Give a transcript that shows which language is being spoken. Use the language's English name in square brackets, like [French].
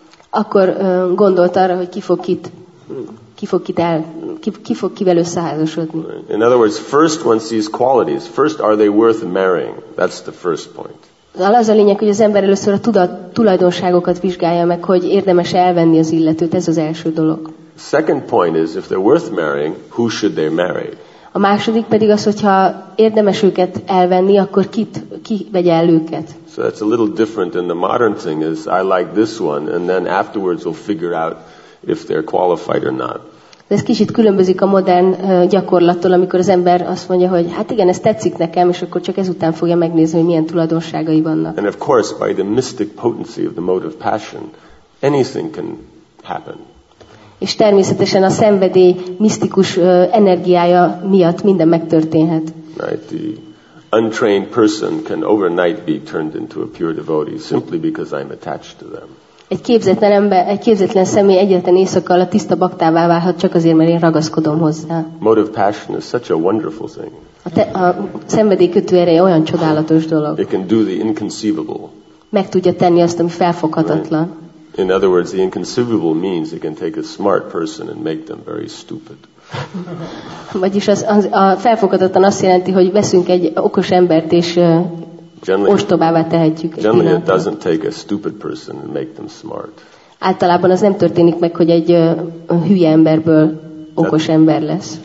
[Hungarian] Akkor gondolt arra, hogy ki fog kivel összeházasodni. [English] In other words, first one sees qualities. First, are they worth marrying? That's the first point. [Hungarian] Az a lényeg, hogy az ember először a tulajdonságokat vizsgálja meg, hogy érdemes elvenni az illetőt. Ez az első dolog. [English] Second point is, if they're worth marrying, who should they marry? [Hungarian] A második pedig az, hogyha érdemes őket elvenni, akkor ki vegye el őket. [English] So that's a little different than the modern thing is, I like this one, and then afterwards we'll figure out if they're qualified or not. [Hungarian] De ez kicsit különbözik a modern gyakorlattól, amikor az ember azt mondja, hogy hát igen, ez tetszik nekem, és akkor csak ezután fogja megnézni, hogy milyen tulajdonságai vannak. [English] And of course, by the mystic potency of the motive passion, anything can happen. [Hungarian] És természetesen a szenvedély misztikus energiája miatt minden megtörténhet. [English] Right, the untrained person can overnight be turned into a pure devotee simply because I'm attached to them. [Hungarian] Egy képzetlen ember, egy képzetlen személy egyetlen éjszakkal a tiszta baktává válhat csak azért, mert én ragaszkodom hozzá. [English] Motive passion is such a wonderful thing. [Hungarian] A szenvedélykötő ereje olyan csodálatos dolog. [English] It can do the inconceivable. [Hungarian] Meg tudja tenni azt, ami felfoghatatlan. [English] Right. In other words, the inconceivable means it can take a smart person and make them very stupid. [Hungarian] Vagyis a felfoghatatlan azt jelenti, hogy veszünk egy okos embert és ostobává tehetjük. [English] Generally it doesn't take a stupid person and make them smart. [Hungarian] Általában az nem történik meg, hogy egy hülye emberből okos ember lesz.